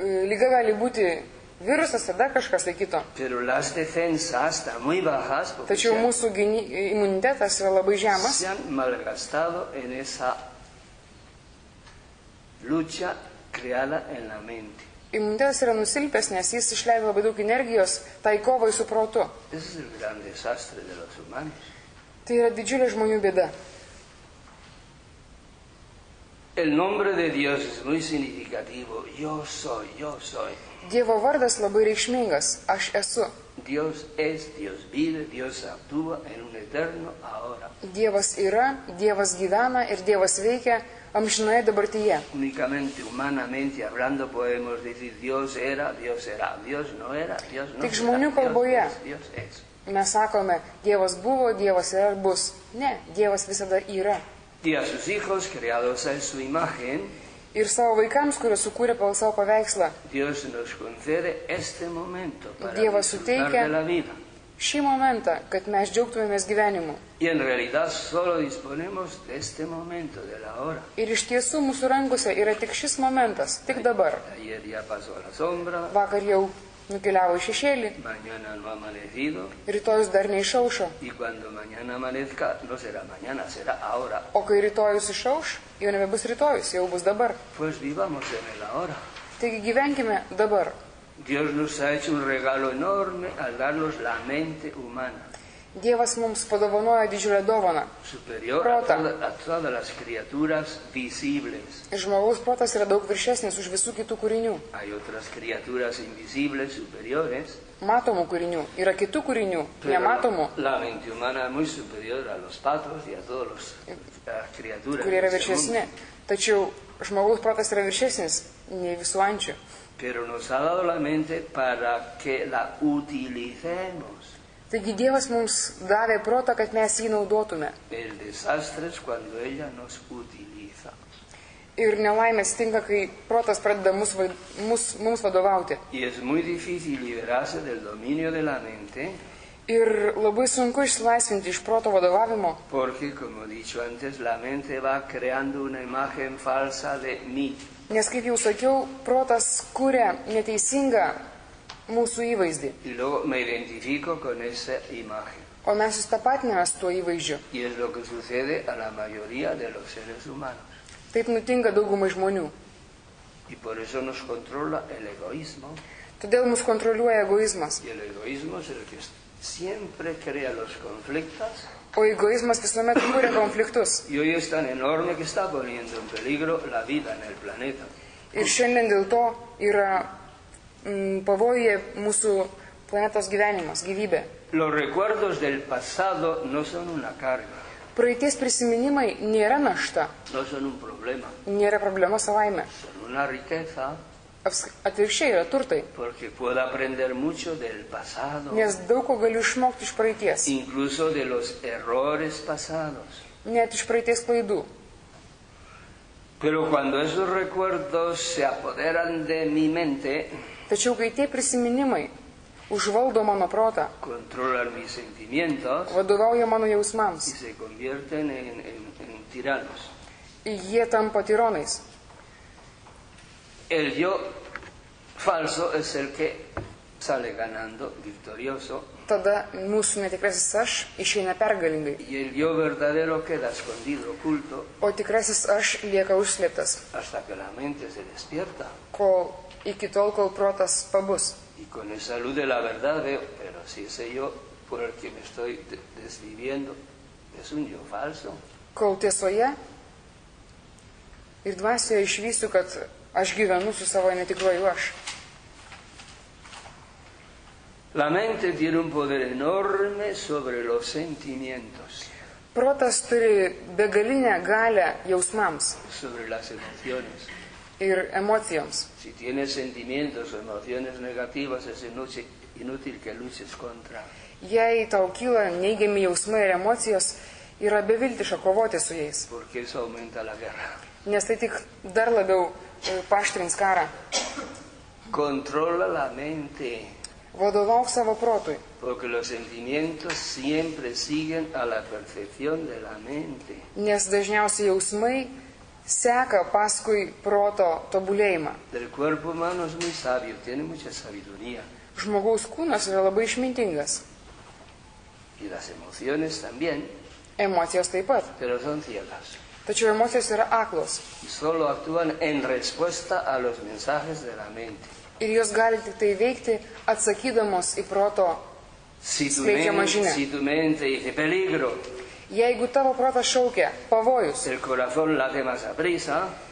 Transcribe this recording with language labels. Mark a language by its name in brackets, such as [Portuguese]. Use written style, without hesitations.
[Lithuanian] Liga gali būti virusas, tada kažkas laikyto. [Spanish] Pero las defensas están muy bajas. [Lithuanian] Tačiau mūsų imunitetas yra labai žemas. [Spanish] Se han malgastado en esa lucha creada en la mente. [Lithuanian] Imunitetas yra nusilpęs, nes jis išleido labai daug energijos tai kovai su protu. Tai yra didžiulė žmonių bėda. [Spanish] El nombre de Dios es muy significativo. Yo soy, yo soy. [Lithuanian] Dievo vardas labai reikšmingas. Aš esu. [Spanish] Dios es, Dios vive, Dios actúa en un eterno ahora. [Lithuanian] Dievas yra, Dievas gyvena ir Dievas veikia. Amžinoje dabartyje. [Spanish] Unicamente, humanamente, hablando, podemos decir, Dios era, Dios era, Dios no era, Dios no era. [Lithuanian] Tik žmonių kalboje. Mes sakome, Dievas buvo, Dievas yra, bus. Ne, Dievas visada yra. [Spanish] Y a sus hijos, creados en su imagen. [Lithuanian] Ir savo vaikams, kurie sukūrė pagal savo paveikslą. [Spanish] Dios nos concede este momento para [Lithuanian] Dievas suteikia šį momentą, kad mes džiaugtumėmės gyvenimu. [Spanish] Y en realidad solo disponemos de este momento, de la hora. [Lithuanian] Ir iš tiesų mūsų rankose yra tik šis momentas, tik dabar. [Spanish] Ayer ya pasó la sombra. [Lithuanian] Vakar jau nukeliavo į šešėlį. [Spanish] Mañana no ha amanecido. [Lithuanian] Rytojus dar neišaušo. [Spanish] Y cuando mañana amanezca, no será mañana, será ahora. [Lithuanian] O kai rytojus išauš, jau nebus rytojus, jau bus dabar. [Spanish] Pues vivamos en la hora. [Lithuanian] Taigi gyvenkime dabar. [Spanish] Dios nos ha hecho un regalo enorme al darnos la mente humana. [Lithuanian] Dievas mums padovanoja didžiulę dovaną. Superior protą. [Spanish] A todas las criaturas visibles. [Lithuanian] Žmogaus protas yra daug viršesnis už visų kitų kūrinių. [Spanish] Hay otras criaturas invisibles superiores. [Lithuanian] Matomų kūrinių. Yra kitų kūrinių, nematomų. [Spanish] La mente humana es muy superior a los patos y a todos los criaturas. [Lithuanian] Kurie yra viršesni. Tačiau žmogaus protas yra viršesnis nei visų ančių. [Spanish] Pero nos ha dado la mente para que la utilicemos. [Lithuanian] Taigi Dievas mums davė protą, kad mes jį naudotume. [Spanish] El desastre es cuando ella nos utiliza. [Lithuanian] Ir nelaimės tinka, kai protas pradeda mums vadovauti. [Spanish] Y es muy difícil liberarse del dominio de la mente. [Lithuanian] Ir labai sunku išsilaisvinti iš proto vadovavimo. [Spanish] Porque, como dicho antes, la mente va creando una imagen falsa de mí. [Lithuanian] Nes, kaip jau sakiau, protas kuria neteisingą mūsų įvaizdį. [Spanish] Y luego me identifico con esa imagen. [Lithuanian] O mes sustapatiname su tuo įvaizdžiu. [Spanish] Y es lo que sucede a la mayoría de los seres humanos. [Lithuanian] Taip nutinka daugumai žmonių. [Spanish] Y por eso nos controla el egoísmo. [Lithuanian] Todėl mus kontroliuoja egoizmas. [Spanish] Y el egoísmo es el que siempre crea los conflictos. [Lithuanian] O egoizmas visuomet kuria konfliktus. [Spanish] Y hoy es tan enorme que está poniendo en peligro la vida en el planeta. [Lithuanian] Ir šiandien dėl to yra pavojuje mūsų planetos gyvenimas, gyvybė. [Spanish] Los recuerdos del pasado no son una carga. [Lithuanian] Praeities prisiminimai nėra našta. [Spanish] No son un problema. [Lithuanian] Nėra problema savaime. [Spanish] Son una riqueza. [Lithuanian] Atvirkščiai yra turtai. [Spanish] Porque puedo aprender mucho del pasado. [Lithuanian] Nes daug ko galiu išmokti iš praeities. [Spanish] Incluso de los errores pasados. [Lithuanian] Net iš praeities klaidų. [Spanish] Pero cuando esos recuerdos se apoderan de mi mente, [Lithuanian] tačiau kai tie prisiminimai užvaldo mano protą, [Spanish] controlan mis sentimientos, [Lithuanian] vadovauja mano jausmams, [Spanish] y se convierten en tiranos. [Lithuanian] Y jie tampa tironais. [Spanish] El yo falso es el que sale ganando victorioso. [Lithuanian] Tada mūsų netikrasis aš išeina pergalingai. [Spanish] Y el yo verdadero queda escondido, oculto. [Lithuanian] O tikrasis aš lieka užslėptas. [Spanish] Hasta que la mente se despierta. [Lithuanian] Kol iki tol, kol protas pabus. [Spanish] Y con esa luz de la verdad veo, pero si ese yo por el que me estoy desviviendo es un yo falso. [Lithuanian] Kol tiesoje ir dvasioje išvystu, kad aš gyvenu su savo netikruoju aš. [Spanish] La mente tiene un poder enorme sobre los sentimientos. [Lithuanian] Protas turi begalinę galią jausmams. [Spanish] Sobre las emociones. [Lithuanian] Ir emocijoms. [Spanish] Si tienes sentimientos o emociones negativas, es inútil que luches contra. [Lithuanian] Jei tau kyla neigiami jausmai ir emocijos, yra beviltiška kovoti su jais. [Spanish] Porque eso aumenta la guerra. [Lithuanian] Nes tai tik dar labiau paštrins karą. [Spanish] Controla la mente. [Lithuanian] Vadovauk savo protui. [Spanish] Porque los sentimientos siempre siguen a la percepción de la mente. [Lithuanian] Nes dažniausiai jausmai seka paskui proto tobulėjimą. [Spanish] El cuerpo humano es muy sabio, tiene mucha sabiduría. [Lithuanian] Žmogaus kūnas yra labai išmintingas. [Spanish] Y las emociones también. [Lithuanian] Emocijos taip pat. [Spanish] Pero son ciegas. [Lithuanian] Tačiau emocijos yra aklos. [Spanish] Y solo actúan en respuesta a los mensajes de la mente. [Lithuanian] Ir jos gali tik tai veikti atsakydamos į proto skleidžiamą žinią. [Spanish] Si tu mente dice peligro. [Lithuanian] Jeigu tavo protas šaukia, pavojus. [Spanish] El corazón late más a prisa.